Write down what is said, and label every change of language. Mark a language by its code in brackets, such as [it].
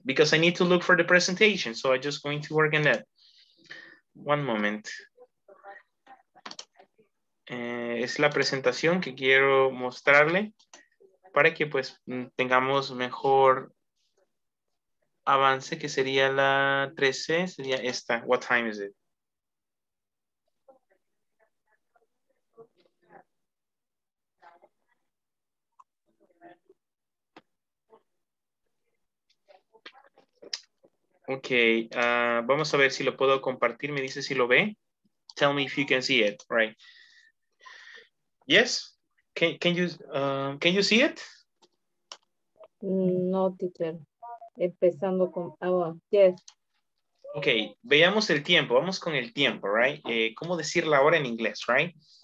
[en] Because I need to look for the presentation. So, I'm just going to work on that. One moment. [es] Es la presentación que quiero mostrarle para que, pues, tengamos mejor avance, que sería la 13, sería esta. [en] What time is it? [es] Ok, vamos a ver si lo puedo compartir. Me dice si lo ve. [en] Tell me if you can see it, right? Yes? Can you see it? [es] No, teacher. Empezando con yes. Ok, veamos el tiempo. Vamos con el tiempo, right? ¿Cómo decir la hora en inglés, right?